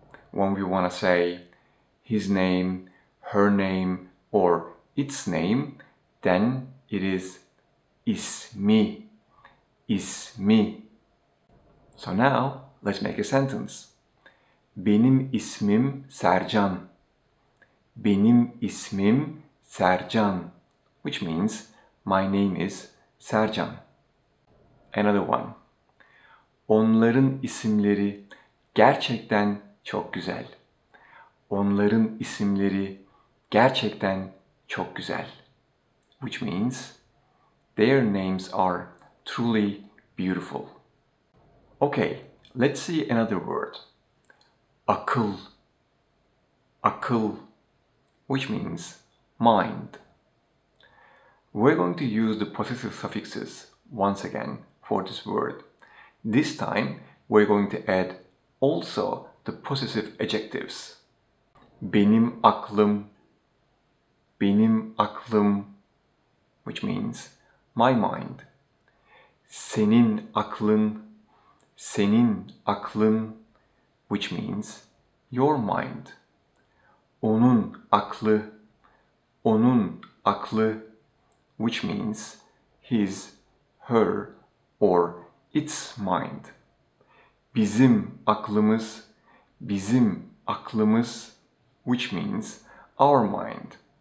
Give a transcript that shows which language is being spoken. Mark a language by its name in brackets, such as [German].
[English] When we want to say his name, her name, or its name, then it is ismi, ismi. So now let's make a sentence. [Turkish] Benim ismim Sercan. Benim ismim Sercan, [English] which means my name is Sercan. Another one. [Turkish] Onların isimleri gerçekten çok güzel. Onların isimleri gerçekten çok güzel. [English] Which means their names are truly beautiful. Okay, let's see another word. Akıl. Akıl, which means mind. We're going to use the possessive suffixes once again for this word. This time, we're going to add also the possessive adjectives. [Turkish] Benim aklım, benim aklım, [English] which means my mind. [Turkish] Senin aklın, senin aklın, [English] which means your mind. [Turkish] Onun aklı, onun aklı, [English] which means his, her, or its mind. [Turkish] Bizim aklımız, bizim aklımız, [English] which means our mind.